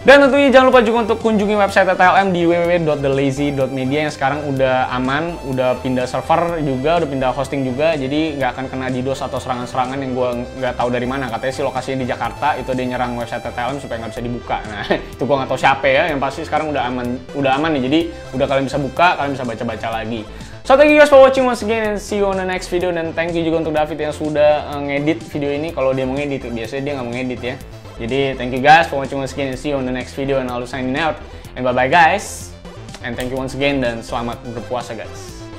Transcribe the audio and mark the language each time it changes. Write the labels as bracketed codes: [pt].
[id] Dan tentunya jangan lupa juga untuk kunjungi website TLM di www.thelazy.media yang sekarang udah aman, udah pindah server juga, udah pindah hosting juga, jadi nggak akan kena DDoS atau serangan-serangan yang gue nggak tahu dari mana. Katanya sih lokasinya di Jakarta, itu dia nyerang website TLM supaya nggak bisa dibuka. Nah, itu gue nggak tahu siapa ya, yang pasti sekarang udah aman nih, jadi udah kalian bisa buka, kalian bisa baca-baca lagi. [en] So, thank you guys for watching once again and see you on the next video. [id] Dan [en] thank you [id] juga untuk David yang sudah ngedit video ini. Kalau dia mau ngedit, biasanya dia nggak mau ngedit ya. [en] Jadi, thank you guys for watching once again and see you on the next video. And I'll be signing out. And bye-bye guys. And thank you once again [id] dan selamat berpuasa [en] guys.